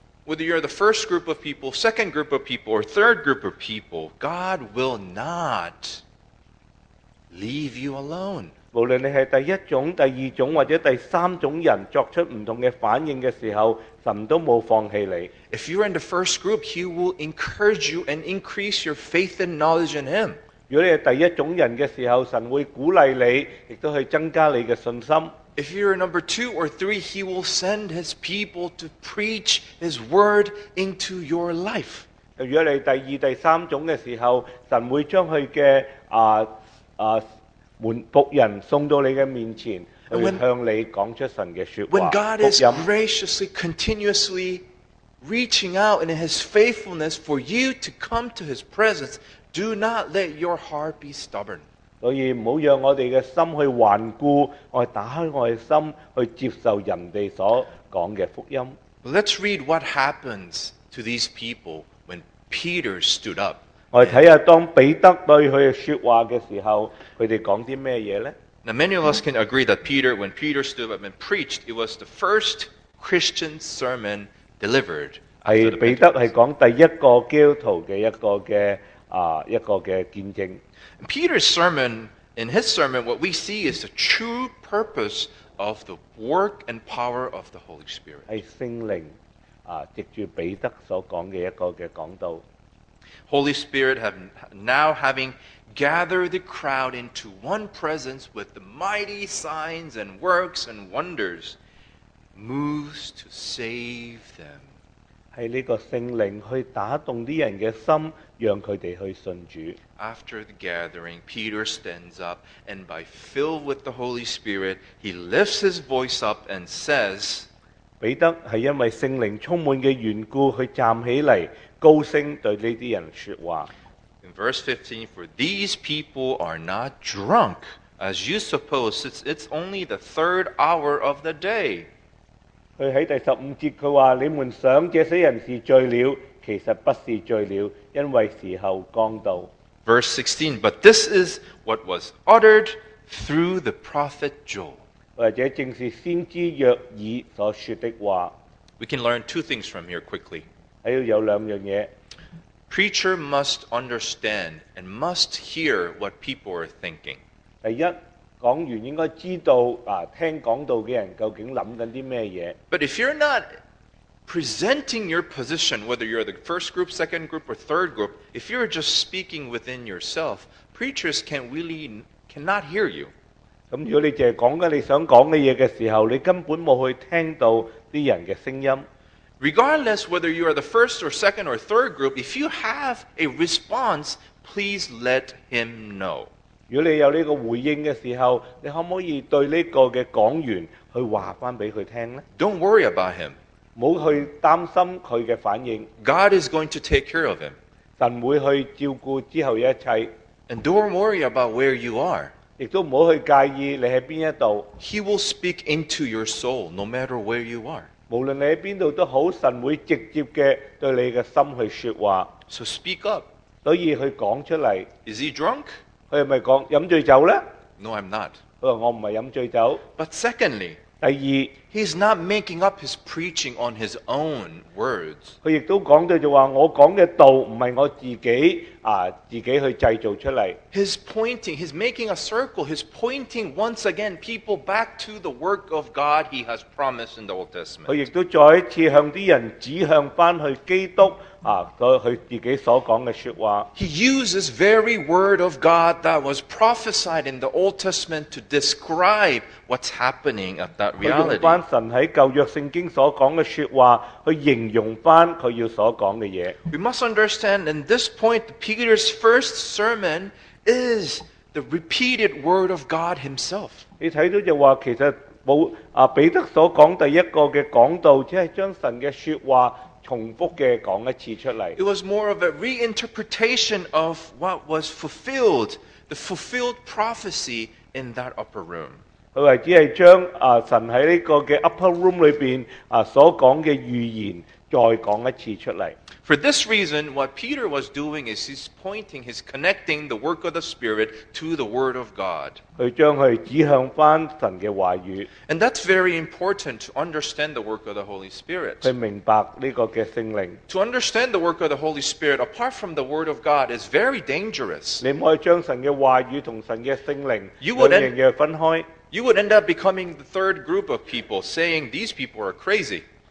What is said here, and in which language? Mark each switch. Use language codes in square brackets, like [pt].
[en] Whether you're the first group of people, second group of people, or third group of people, God will not leave you alone. [yue] 无论你是第一种、第二种或者第三种人作出不同的反应的时候，神都没有放弃你。 [en] If you're in the first group, He will encourage you and increase your faith and knowledge in Him. [yue] 如果你是第一种人的时候，神会鼓励你，亦都去增加你的信心。 [en] If you're number two or three, he will send his people to preach his word into your life. [yue] 如果你第二、第三种的时候，神会将他的仆人送到你的面前，会向你讲出神的说话。 [en] When God is graciously, continuously reaching out in his faithfulness for you to come to his presence, do not let your heart be stubborn. [yue] 所以不要让我们的心去顽固，我们打开我们的心去接受人家所讲的福音。 [en] Let's read what happens to these people when Peter stood up. [yue] 我们看看当彼得对他说话的时候，他们讲些什么呢？ [en] Now many of us can agree that Peter, when Peter stood up and preached, it was the first Christian sermon delivered. [yue] 是彼得是讲第一个基督徒的一个见证。 [en] Peter's sermon, in his sermon, what we see is the true purpose of the work and power of the Holy Spirit. [yue] 是圣灵藉着彼得所讲的一个的讲道。 [en] Holy Spirit have now having gathered the crowd into one presence with the mighty signs and works and wonders moves to save them. [yue] 是这个圣灵去打动这些人的心，让他们去信主。 [en] After the gathering, Peter stands up and by filled with the Holy Spirit, he lifts his voice up and says, [yue] 彼得是因为圣灵充满的缘故，他站起来高声对这些人说话。 [en] In verse 15, for these people are not drunk, as you suppose, since it's only the third hour of the day. [yue] 他在第十五节他说，你们想这些人是醉了，其实不是醉了，因为时候刚到。 [en] Verse 16, but this is what was uttered through the prophet Joel. [yue] 或者正是先知约珥所说的话。 [en] We can learn two things from here quickly. [yue] 还要有两样嘢。 [en] Preacher must understand and must hear what people are thinking. [yue] 第一，讲员应该知道听讲道的人究竟谂紧啲咩嘢。 [en] But if you're not presenting your position, whether you're the first group, second group, or third group, if you're just speaking within yourself, preachers cannot hear you. [yue] 如果你只是讲你想讲的东西的时候，你根本没去听到这些人的声音。 [en] Regardless whether you are the first or second or third group, if you have a response, please let him know. [yue] 如果你有这个回应的时候，你可不可以对这个的讲员去告诉他听呢？ [en] Don't worry about him. [yue] 不要去担心他的反应。 [en] God is going to take care of him. [yue] 神会去照顾之后一切。 [en] And don't worry about where you are. [yue] 亦都不要去介意你在哪一道。 [en] He will speak into your soul, no matter where you are. [yue] 无论你在哪道都好，神会直接的对你的心去说话。 [en] So speak up. [yue] 所以去讲出来。 [en] Is he drunk? [yue] 他是不是讲喝醉酒呢？ [en] No, I'm not. [yue] 他说我不是喝醉酒。 [en] But secondly, [yue] 第二， [en] He's not making up his preaching on his own words. [yue] 他亦都讲到就话，我讲嘅道唔系我自己去制造出嚟。 [en] He's pointing, he's making a circle, he's pointing once again people back to the work of God he has promised in the Old Testament. [yue] 他亦都再一次向啲人指向翻去基督佢自己所讲嘅说话。 [en] He uses very word of God that was prophesied in the Old Testament to describe what's happening at that reality. [yue] 佢用翻神喺旧约圣经所讲嘅说话去形容翻佢要所讲嘅嘢。 [en] We must understand in this point, Peter's first sermon is the repeated word of God Himself. [yue] 你睇到就话其实彼得所讲第一个嘅讲道，只系将神嘅说话。重複的講一次出來。 [en] It was more of a reinterpretation of what was fulfilled, the fulfilled prophecy in that upper room. [yue] 他是只是將神在這個的 upper room 裡面所講的預言再講一次出來。 [en] For this reason, what Peter was doing is he's pointing, he's connecting the work of the Spirit to the Word of God. [yue] 他將他指向翻神的話語。 [en] And that's very important to understand the work of the Holy Spirit. [yue] 去明白這個的聖靈。 [en] To understand the work of the Holy Spirit, apart from the Word of God, is very dangerous. [yue] 你不可以將神的話語和神的聖靈兩樣分開。 [en] You would end up becoming the third group of people, saying these people are crazy.